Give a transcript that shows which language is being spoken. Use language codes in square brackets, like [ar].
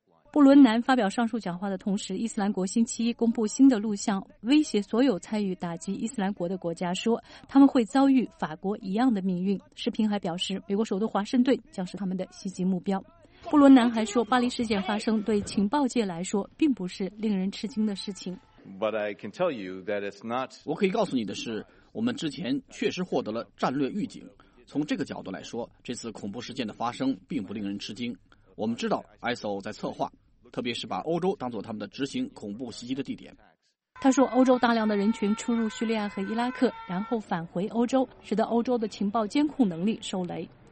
[zh] 布伦南发表上述讲话的同时，伊斯兰国星期一公布新的录像，威胁所有参与打击伊斯兰国的国家，说他们会遭遇法国一样的命运。视频还表示，美国首都华盛顿将是他们的袭击目标。布伦南还说，巴黎事件发生对情报界来说并不是令人吃惊的事情。 [en] But I can tell you that it's not. [zh] 我可以告诉你的是，我们之前确实获得了战略预警。从这个角度来说，这次恐怖事件的发生并不令人吃惊。我们知道 ISO 在策划，特别是把欧洲当作他们的执行恐怖袭击的地点。他说，欧洲大量的人群出入叙利亚和伊拉克，然后返回欧洲，使得欧洲的情报监控能力受雷。